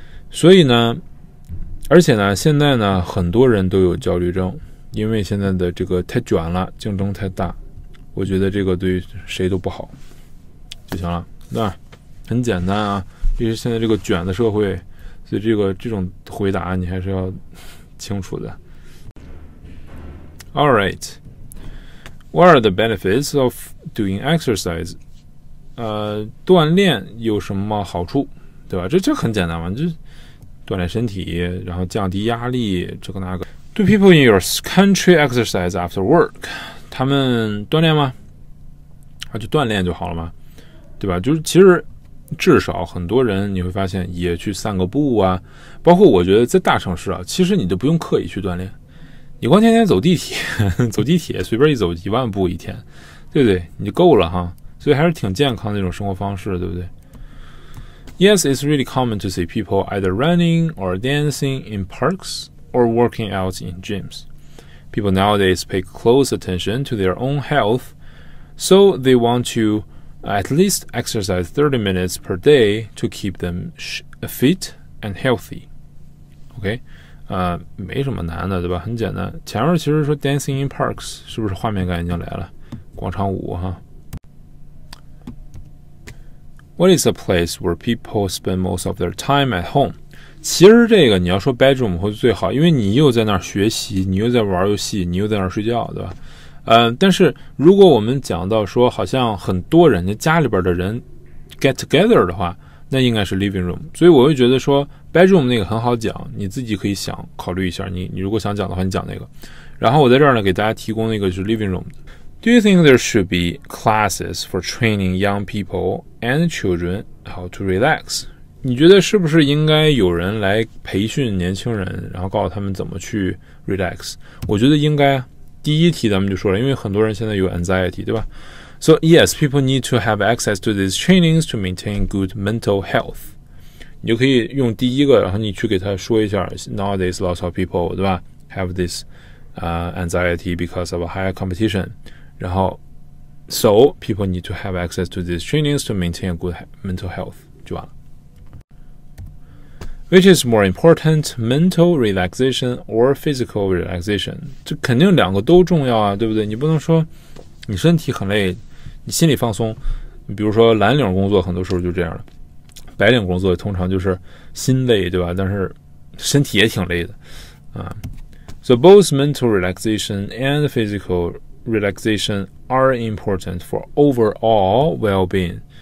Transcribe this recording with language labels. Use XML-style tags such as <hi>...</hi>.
<zh>所以呢，而且呢，现在呢，很多人都有焦虑症，因为现在的这个太卷了，竞争太大，我觉得这个对谁都不好就行了，对吧？很简单啊，因为现在这个卷的社会，所以这种回答你还是要清楚的。</zh> <en>All right, what are the benefits of doing exercise?</en> <zh>锻炼有什么好处？对吧？这很简单嘛，就锻炼身体，然后降低压力，这个那个。</zh> <en>Do people in your country exercise after work?</en> <zh>他们锻炼吗？啊，就锻炼就好了嘛，对吧？就是其实至少很多人你会发现也去散个步啊，包括我觉得在大城市啊，其实你都不用刻意去锻炼，你光天天走地铁，随便一走10000步一天，对不对？你就够了哈，所以还是挺健康的一种生活方式，对不对？</zh> <en>Yes, it's really common to see people either running or dancing in parks or working out in gyms. People nowadays pay close attention to their own health, so they want to at least exercise 30 minutes per day to keep them fit and healthy.</en> <zh>Okay, 没什么难的，对吧？很简单。前面其实说</zh> <en>dancing in parks,</en> <zh>是不是画面感已经来了？广场舞哈。</zh> <en>What is a place where people spend most of their time at home?</en> <zh>其实这个你要说 bedroom 会最好，因为你又在那儿学习，你又在玩游戏，你又在那儿睡觉，对吧？但是如果我们讲到说好像很多人家里边的人</zh> <en>get together</en> <zh>的话，那应该是 living room。所以我会觉得说 bedroom 那个很好讲，你自己可以想考虑一下，你如果想讲的话，你讲那个。然后我在这儿呢给大家提供那个就是 living room。</zh> <en>Do you think there should be classes for training young people and children how to relax?</en> <zh>你觉得是不是应该有人来培训年轻人，然后告诉他们怎么去 relax? 我觉得应该，第一题咱们就说了，因为很多人现在有 anxiety, 对吧？</zh> <en>So yes, people need to have access to these trainings to maintain good mental health.</en> <zh>你就可以用第一个，然后你去给他说一下</zh> <en>nowadays lots of people,</en> <zh>对吧？</zh> <en>have thisanxiety because of a higher competition.</en> <zh>然后</zh> <en>so people need to have access to these trainings to maintain a good mental health.</en> <zh>就完了。</zh> <en>Which is more important, mental relaxation or physical relaxation?</en> <zh>这肯定两个都重要啊，对不对？你不能说你身体很累，你心里放松。比如说蓝领工作很多时候就这样的，白领工作通常就是心累，对吧？但是身体也挺累的，</zh> <en>So both mental relaxation and physical relaxation are important for overall well-being.</en>